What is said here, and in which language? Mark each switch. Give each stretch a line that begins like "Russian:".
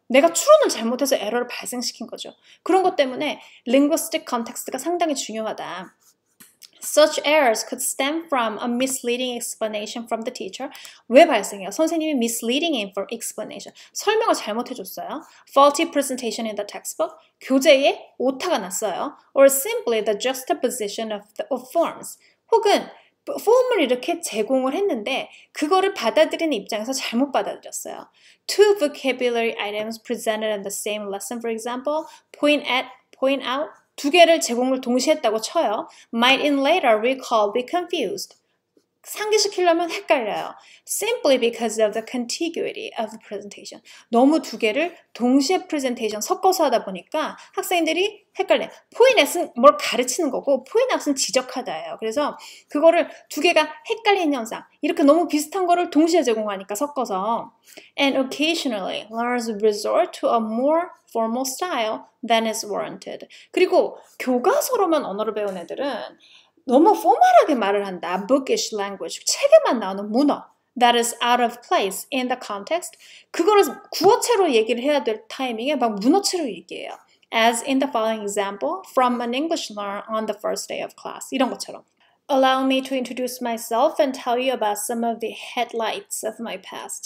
Korean: 내가 추론을 잘못해서 에러를 발생시킨 거죠. 그런 것 때문에 linguistic context가 상당히 중요하다.
English: Such errors could stem from a misleading explanation from the teacher.
Korean: 왜 발생해요? 선생님이
English: misleading explanation.
Korean: 설명을 잘못해줬어요.
English: Faulty presentation in the textbook.
Korean: 교재에 오타가 났어요.
English: Or simply the juxtaposition of forms.
Korean: 혹은 폼을 이렇게 제공을 했는데 그거를 받아들이는 입장에서 잘못 받아들였어요.
English: Two vocabulary items presented in the same lesson, for example, point out
Korean: 두 개를 제공을 동시에 했다고 쳐요.
English: Might in later recall be confused.
Korean: 상기시키려면 헷갈려요.
English: Simply because of the contiguity of the presentation.
Korean: 너무 두 개를 동시에 프레젠테이션 섞어서 하다 보니까 학생들이 헷갈려. Point out은 뭘 가르치는 거고, point out은 지적하다예요. 그래서 그거를 두 개가 헷갈리는 현상. 이렇게 너무 비슷한 거를 동시에 제공하니까 섞어서.
English: And occasionally, learners resort to a more formal style than is warranted.
Korean: 그리고 교과서로만 언어를 배운 애들은 너무 포멀하게 말을 한다.
English: Bookish language.
Korean: 책에만 나오는 문어.
English: That is out of place in the context.
Korean: 그거를 구어체로 얘기를 해야 될 타이밍에 막 문어체로 얘기해요.
English: As in the following example, from an English learner on the first day of class.
Korean: 이런 것처럼.
English: Allow me to introduce myself and tell you about some of the headlights of my past.